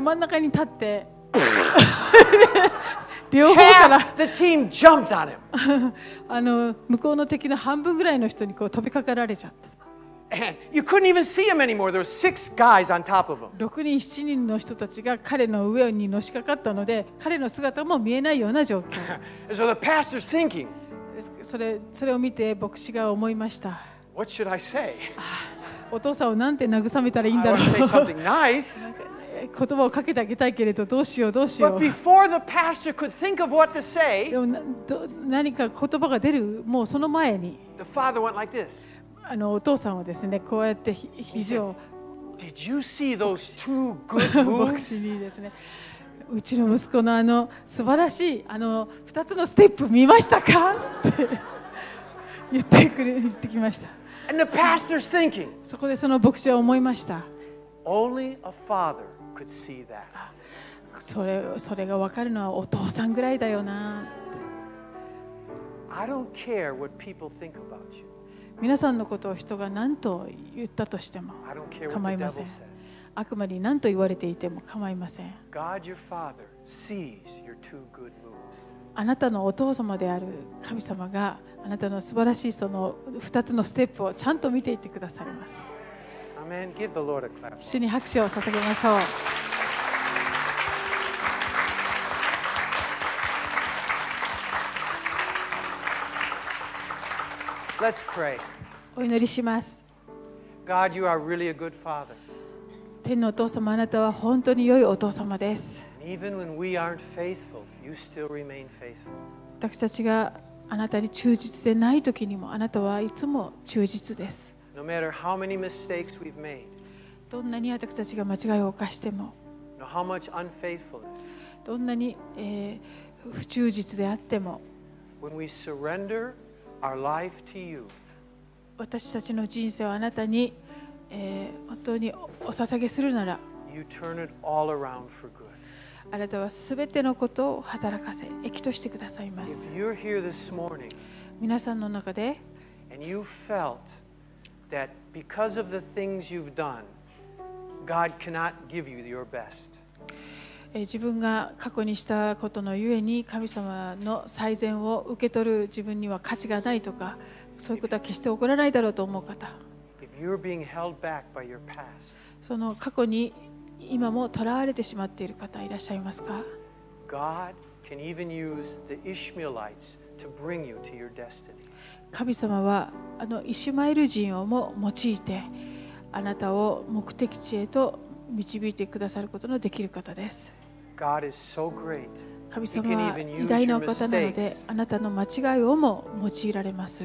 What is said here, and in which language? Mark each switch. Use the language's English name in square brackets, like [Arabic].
[Japanese] 真ん中に立って両方から [English] The team jumped on him. [Japanese] あの向こうの敵の半分ぐらいの人にこう飛びかかられちゃった。 [English] And you couldn't even see him anymore. There were six guys on top of him. [Japanese] 6人7人の人たちが彼の上にのしかかったので彼の姿も見えないような状況。 [English] So the pastor's thinking. [Japanese] それを見て牧師が思いました。 [English] What should I say? [Japanese] お父さんをなんて慰めたらいいんだろう。 [English] I want to say something nice. [Japanese] 葉をかけてあげたいけれどどうしようどうしよう。 [English] But before the pastor could think of what to say, [Japanese] 何か言葉が出るもうその前に、 [English] the father went like this. [Japanese] あのお父さんはですねこうやって肘を。 [English] Did you see those two good moves? [Japanese] 牧師にですね、うちの息子のあの素晴らしいあの二つのステップ見ましたかって言ってくれ言ってきました。 [English] And the pastor's thinking. [Japanese] そこでその牧師は思いました。 [English] Only a father could see that. [Japanese] それが分かるのはお父さんぐらいだよな。 [English] I don't care what people think about you. [Japanese] 皆さんのことを人が何と言ったとしても構いません。あくまで何と言われていても構いません。 [English] God, your father sees your two good moves. [Japanese] あなたのお父様である神様があなたの素晴らしいその2つのステップをちゃんと見ていてくださいます。 [English] Amen. Give the Lord a clap. [Japanese] 主に拍手を捧げましょう。 [English] Let's pray. [Japanese] お祈りします。 [English] God, you are really a good father. [Japanese] 天のお父様、あなたは本当に良いお父様です。 [English] Even when we aren't faithful, you still remain faithful. [Japanese] 私たちがあなたに忠実でない時にもあなたはいつも忠実です。 [English] No matter how many mistakes we've made, [Japanese] どんなに私たちが間違いを犯しても、 [English] no how much unfaithfulness, [Japanese] どんなに、不忠実であっても、 [English] when we surrender our life to you, [Japanese] 私たちの人生をあなたに、本当にお捧げするなら、 [English] you turn it all around for good. [Japanese] あなたはすべてのことを働かせ益としてくださいます。 [English] If you're here this morning, [Japanese] 皆さんの中で [English] and you felt that because of the things you've done, God cannot give you your best. [Japanese] 自分が過去にしたことのゆえに神様の最善を受け取る自分には価値がないとかそういうことは決して起こらないだろうと思う方、 [English] If you're being held back by your past, [Japanese] その過去に今も囚われてしまっている方いらっしゃいますか。 [English] God can even use the Ishmaelites to bring you to your destiny. [Japanese] 神様はあのイシュマエル人をも用いてあなたを目的地へと導いてくださることのできる方です。 [English] God is so great. [Japanese] 神様は偉大なお方なのであなたの間違いをも用いられます。